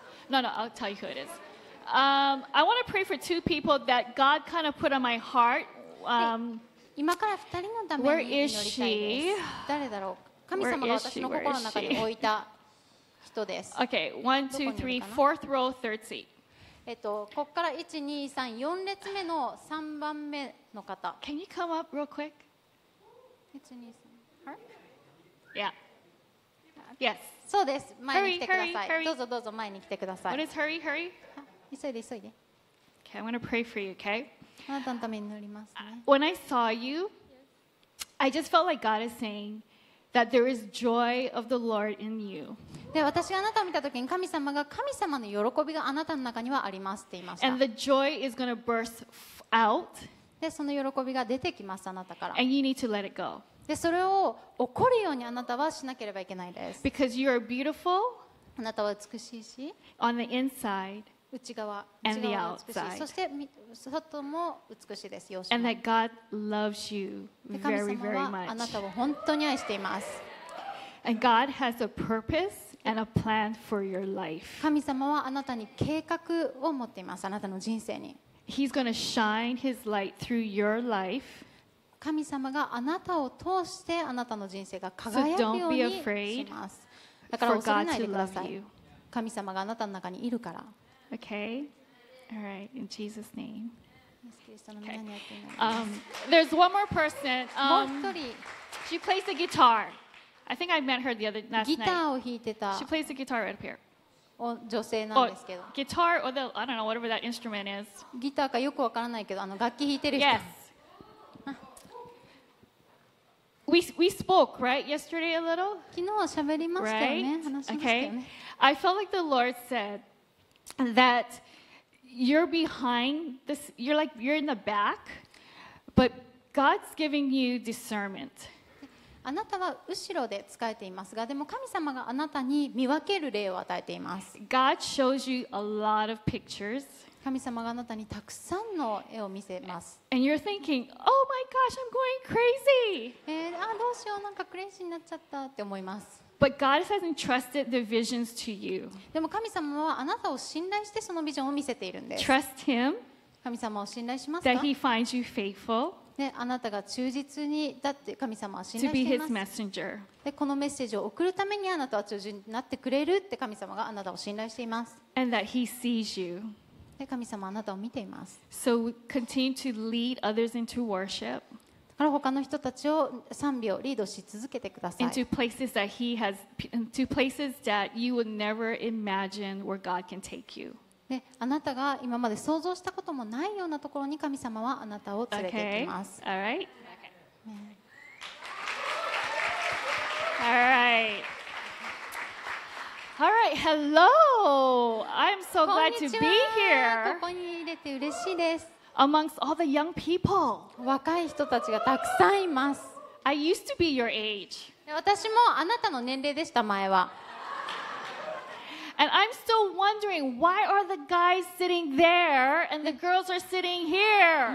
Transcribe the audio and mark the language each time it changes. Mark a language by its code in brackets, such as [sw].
[en] No, no, I'll tell you who it is. I want to pray for two people that God kind of put on my heart. [ja] 今から二人のために祈りたいです。 [en] Where is she? [ja] 誰だろう。神様が私の心の中に置いた人です。 [en] Okay, one, two, three, fourth row, third seat. [ja] ここから1、2、3、4列目の3番目の方。 [en] Can you come up real quick? [ja] 1、2、3, her? [en] Yeah. Yes. [ja] そうです。前に来てください。 [en] hurry, hurry, hurry. [ja] どうぞどうぞ前に来てください。 [en] What is hurry, hurry? [ja] 急いで急いで。 [en] Okay, I'm gonna pray for you, okay? [ja] あなたのために祈りますね。 [en] When I saw you, I just felt like God is saying that there is joy of the Lord in you. [ja] で、私があなたを見た時に神様が神様の喜びがあなたの中にはありますって言いました。 [en] And the joy is gonna burst out. [ja] で、その喜びが出てきますあなたから。 [en] And you need to let it go. [ja] で、それを起こるようにあなたはしなければいけないです。 [en] Because you are beautiful. [ja] あなたは美しいし。 [en] On the inside. [ja] 内側。内側は美しい。 [en] And the outside. [ja] そして外も美しいです。容姿 [en] も。And that God loves you very, very much. [ja] 神様はあなたを本当に愛しています。 [en] And God has a purpose and a plan for your life. [ja] 神様はあなたに計画を持っています。あなたの人生に。 [en] He's going to shine His light through your life. [ja] 神様があなたを通してあなたの人生が輝くようにします。だから恐れないでください。神様があなたの中にいるから。 [en] Okay. All right. In Jesus' name. Okay. There's one more person. She plays the guitar. I think I met her the other last night. [ja] ギターを弾いてた。 [en] She plays the guitar right up here. [ja] 女性なんですけど。 [en] Guitar or the I don't know whatever that instrument is. [ja] ギターかよくわからないけど、あの楽器弾いてる人。 [en] Yes. We spoke, right, yesterday a little? [ja] 昨日は喋りましたよね。話しましたよね。 [en] Okay. I felt like the Lord said that you're behind this, you're like, you're in the back, but God's giving you discernment. [ja] あなたは後ろで使えていますが、でも神様があなたに見分ける霊を与えています。 [en] God shows you a lot of pictures. [ja] 神様があなたにたくさんの絵を見せます。 [en] And you're thinking, oh my gosh, I'm going crazy! [ja] どうしよう、なんかクレイジーになっちゃったって思います。 [en] But God has entrusted the visions to you. [ja] でも神様はあなたを信頼してそのビジョンを見せているんです。 [en] Trust him. [ja] 神様を信頼しますか? [en] That he finds you faithful. [ja] ね、あなたが忠実にだって神様は信頼しています。で、このメッセージを送るためにあなたは忠実になってくれるって神様があなたを信頼しています。 [en] And that he sees you. [ja] で、神様はあなたを見ています。 [en] So we continue to lead others into worship. [ja] だから他の人たちを賛美をリードし続けてください。 [en] Into places that he has, into places that you would never imagine where God can take you. [ja] ね、あなたが今まで想像したこともないようなところに神様はあなたを連れて行きます。 [en] Okay. All right. All right. All right. Hello. I'm so glad to be here. [ja] ここに入れて嬉しいです。 [en] Amongst all the young people. [ja] 若い人たちがたくさんいます。 [en] I used to be your age. [ja] 私もあなたの年齢でした前は。 [en] And I'm still wondering why are the guys sitting there and the girls are sitting here?